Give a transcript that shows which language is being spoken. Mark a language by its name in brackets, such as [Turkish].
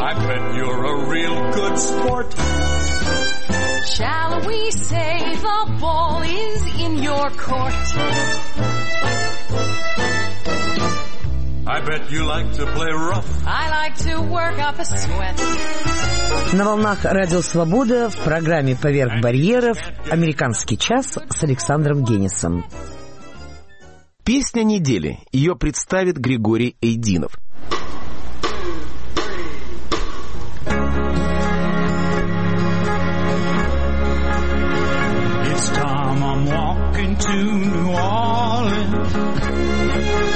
[English] I bet you're a real good sport. Shall we say the ball is in your court? I bet you like to play rough. I like to work up a sweat. [Russian] На волнах Радио Свобода в программе «Поверх барьеров» «Американский час» с Александром Генисом. Песня недели. Ее представит Григорий Эйдинов. [English] It's time I'm walking to New Orleans.